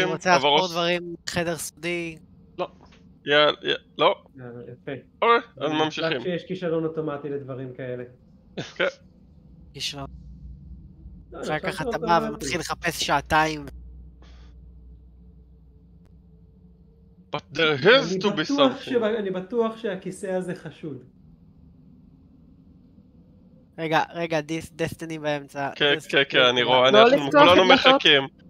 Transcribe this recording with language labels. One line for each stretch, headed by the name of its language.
Hebrew: לא, אני רוצה לעבור דברים, חדר סודי. לא. לא? יפה. אוקיי, אז ממשיכים. רק שיש כישלון אוטומטי לדברים כאלה. כן. כישלון. רק ככה אתה בא ומתחיל לחפש שעתיים.
English: But there has to be something.
Hebrew: אני בטוח שהכיסא הזה חשוד. רגע, רגע, דסטיני באמצע. כן, כן, כן, אני רואה, אנחנו כולנו מחכים.